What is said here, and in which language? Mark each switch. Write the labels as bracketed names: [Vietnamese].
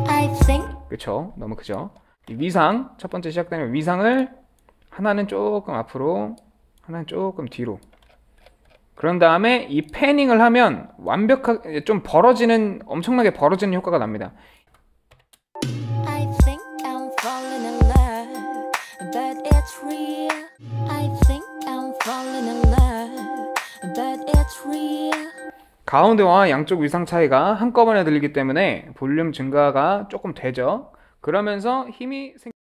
[English] I think. [Korean] 그쵸? 너무 크죠? 이 위상, 첫 번째 시작되는 위상을 하나는 조금 앞으로, 하나는 조금 뒤로. 그런 다음에 이 패닝을 하면 완벽하게 좀 벌어지는, 엄청나게 벌어지는 효과가 납니다. [English] I think I'm falling in love, but it's real. I think I'm falling in love, but it's real. [Korean] 가운데와 양쪽 위상 차이가 한꺼번에 들리기 때문에 볼륨 증가가 조금 되죠. 그러면서 힘이 생